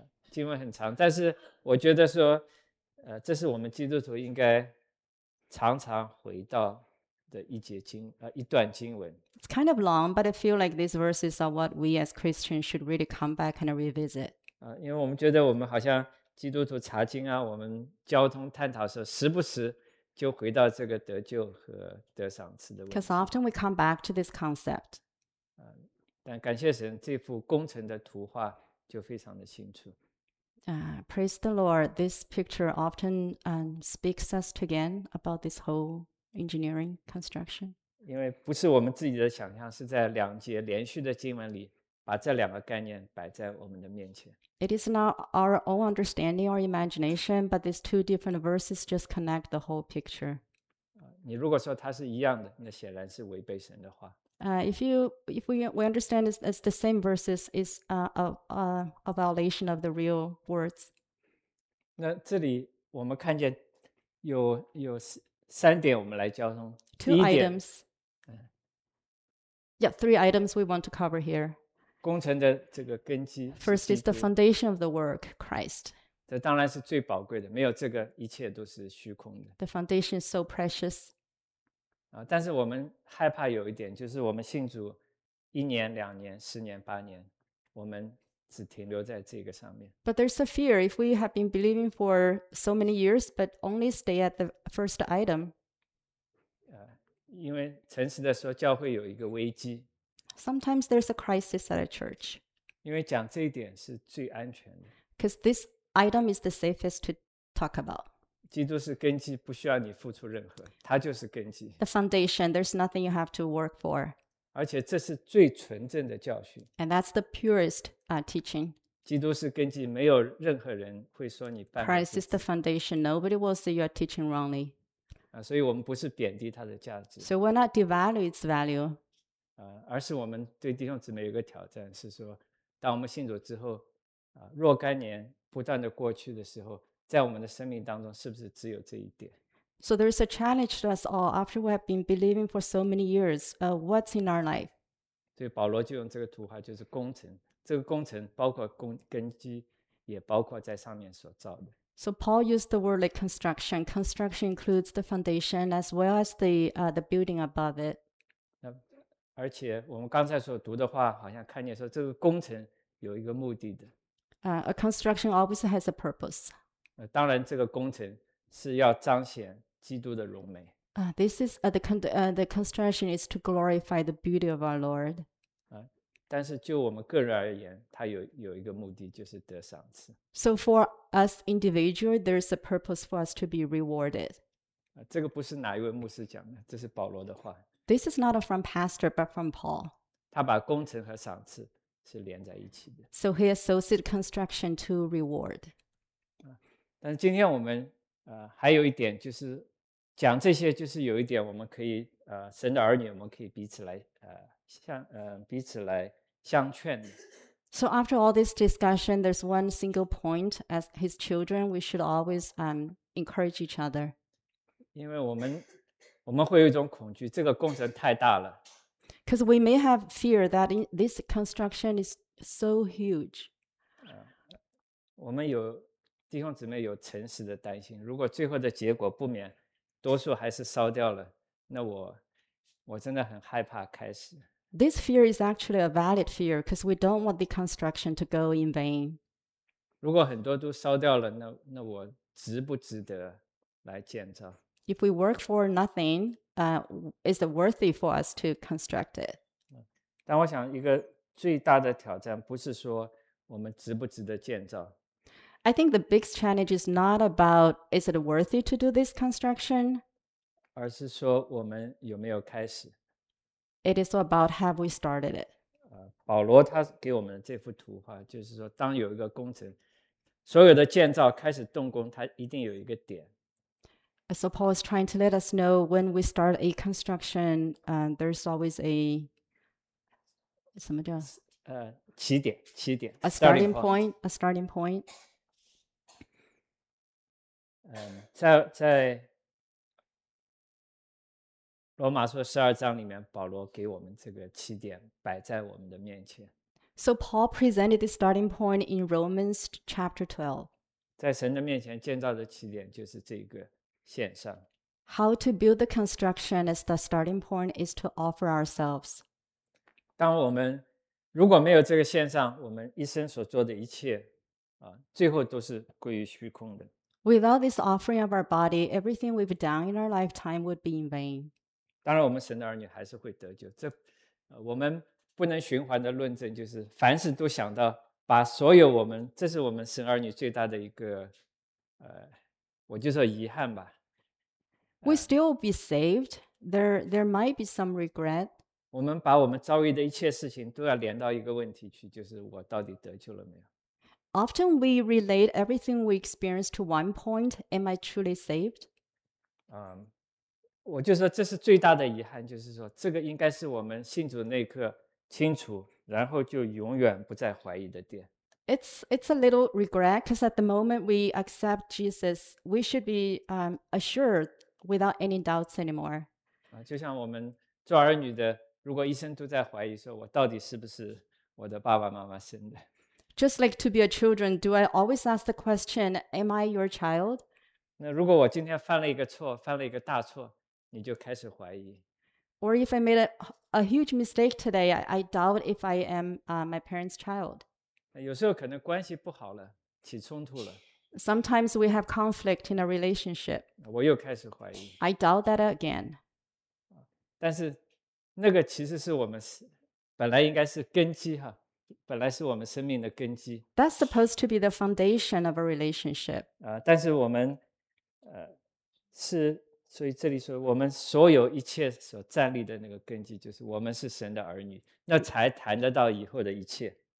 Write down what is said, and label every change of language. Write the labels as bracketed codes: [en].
[zh] 经文很长，但是我觉得说，这是我们基督徒应该常常回到的一节经，一段经文。 [en] It's kind of long, but I feel like these verses are what we as Christians should really come back and revisit. [zh] 因为我们觉得我们好像基督徒查经啊，我们交通探讨的时候，时不时就回到这个得救和得赏赐的问题。 [en] Because often we come back to this concept. [zh] 但感谢神，这幅工程的图画就非常的清楚。 [en] Praise the Lord, this picture often speaks us again about this whole engineering construction. [zh] 因为不是我们自己的想象，是在两节连续的经文里把这两个概念摆在我们的面前。 [en] It is not our own understanding or imagination, but these two different verses just connect the whole picture. [zh] 你如果说它是一样的，那显然是违背神的话。 [en] If we understand it's the same verses, it's a violation of the real words. [zh] 那这里我们看见有三点我们来交通。 [en] Two items. Yeah, three items we want to cover here. [zh] 工程的这个根基。 [en] First is the foundation of the work, Christ. [zh] 这当然是最宝贵的，没有这个一切都是虚空的。 [en] The foundation is so precious. [zh] 但是我们害怕有一点，就是我们信主一年、两年、十年、八年，我们只停留在这个上面。 [en] But there's a fear if we have been believing for so many years, but only stay at the first item. [zh] 因为诚实的说，教会有一个危机。 [en] Sometimes there's a crisis at a church. [zh] 因为讲这一点是最安全的。 [en] Because this item is the safest to talk about. [zh] 基督是根基，不需要你付出任何，他就是根基。 [en] The foundation, there's nothing you have to work for. [zh] 而且这是最纯正的教训。 [en] And that's the purest teaching. [zh] 基督是根基，没有任何人会说你办。 [en] Christ is the foundation. Nobody will say you are teaching wrongly. [zh] 所以我们不是贬低他的价值。 [en] So we're not devaluing its value. [zh] 而是我们对弟兄姊妹有个挑战，是说，当我们信主之后，若干年不断的过去的时候。在我们的生命当中，是不是只有这一点？ [en] So there is a challenge to us all after we have been believing for so many years. What's in our life? [zh] 对，保罗就用这个图画，就是工程。这个工程包括根基，也包括在上面所造的。 [en] So Paul used the word like construction. Construction includes the foundation as well as the building above it. [zh] 而且我们刚才所读的话，好像看见说这个工程有一个目的的。 [en] A construction always has a purpose. [zh] 当然这个工程是要彰显基督的荣美。 [en] The construction is to glorify the beauty of our Lord. [zh] 但是就我们个人而言，它有一个目的，就是得赏赐。 [en] So for us individually, there's a purpose for us to be rewarded. [zh] 这个不是哪一位牧师讲的，这是保罗的话。 [en] This is not from pastor, but from Paul. [zh] 他把工程和赏赐是连在一起的。 [en] So he associated construction to reward. [zh] 但是今天我们还有一点，就是讲这些，就是有一点我们可以神的儿女，我们可以彼此来彼此来相劝。 [en] So after all this discussion, there's one single point: as his children, we should always encourage each other. [zh] 因为我们会有一种恐惧，这个工程太大了。 [en] Because we may have fear that this construction is so huge. [zh] 我们有。弟兄姊妹有诚实的担心，如果最后的结果不免多数还是烧掉了，那我真的很害怕开始。 [en] This fear is actually a valid fear because we don't want the construction to go in vain. [zh] 如果很多都烧掉了，那我值不值得来建造？ [en] If we work for nothing, is it worthy for us to construct it? [zh] 但我想一个最大的挑战不是说我们值不值得建造。 [en] I think the biggest challenge is not about is it worthy to do this construction? [zh] 而是说我们有没有开始。 [en] It is about have we started it? [zh] 保罗他给我们这幅图画就是说当有一个工程所有的建造开始动工它一定有一个点。 [en] So Paul is trying to let us know when we start a construction, there's always a [zh] 什么叫起点起点 [en] a starting point, a starting point. [zh] 在罗马书十二章里面保罗给我们这个起点摆在我们的面前。 [en] So Paul presented the starting point in Romans chapter 12. [zh] 在神的面前建造的起点就是这个献上。 [en] How to build the construction as the starting point is to offer ourselves. [zh] 当我们如果没有这个献上我们一生所做的一切最后都是归于虚空的。 [en] Without this offering of our body, everything we've done in our lifetime would be in vain. [zh] 当然我们神的儿女还是会得救。这我们不能循环的论证就是凡事都想到把所有我们这是我们神儿女最大的一个我就说遗憾吧。 [en] We still be saved. There might be some regret. [zh] 我们把我们遭遇的一切事情都要连到一个问题去就是我到底得救了没有。 [en] Often we relate everything we experience to one point. Am I truly saved? [zh] 我就说这是最大的遗憾就是说这个应该是我们信主那一刻清楚然后就永远不再怀疑的点。 [en] It's a little regret because at the moment we accept Jesus, we should be assured without any doubts anymore. [zh] 就像我们做儿女的如果一生都在怀疑说我到底是不是我的爸爸妈妈生的。 [en] Just like to be a children, do I always ask the question, am I your child? [zh] 那如果我今天犯了一个错犯了一个大错你就开始怀疑。 [en] Or if I made a huge mistake today, I doubt if I am my parents' child. [zh] 有时候可能关系不好了，起冲突了。 [en] Sometimes we have conflict in a relationship. [zh] 我又开始怀疑。 [en] I doubt that again. [zh] 但是那个其实是我们本来应该是根基哈，本来是我们生命的根基。 [en] That's supposed to be the foundation of a relationship. [zh] 但是我们是。所以这里说我们所有一切所站立的那个根基就是我们是神的儿女那才谈得到以后的一切。